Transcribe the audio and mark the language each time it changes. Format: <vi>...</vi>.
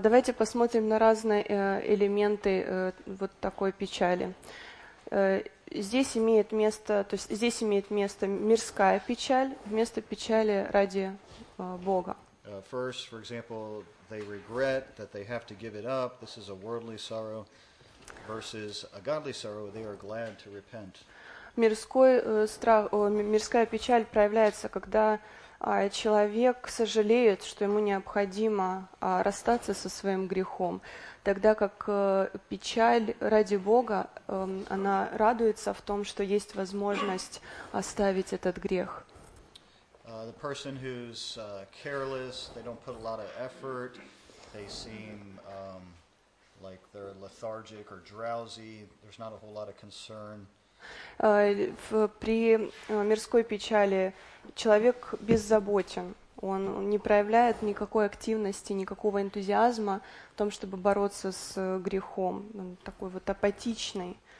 <ru>Давайте посмотрим на разные элементы вот такой печали. Здесь имеет место мирская печаль вместо печали ради Бога.</ru> <en>First, for example, they regret that they have to give it up. This is a worldly sorrow versus a godly sorrow. They are glad to repent.</en> <ru>Мирская печаль проявляется, когда человек сожалеет, что ему необходимо расстаться со своим грехом, тогда как печаль ради Бога, она радуется в том, что есть возможность оставить этот грех.</ru> <en>The person who's careless, they don't put a lot of effort, they seem like they're lethargic or drowsy, there's not a whole lot of concern.</en> <ru>При мирской печали человек беззаботен, он не проявляет никакой активности, никакого энтузиазма в том, чтобы бороться с грехом, он такой вот апатичный.</ru>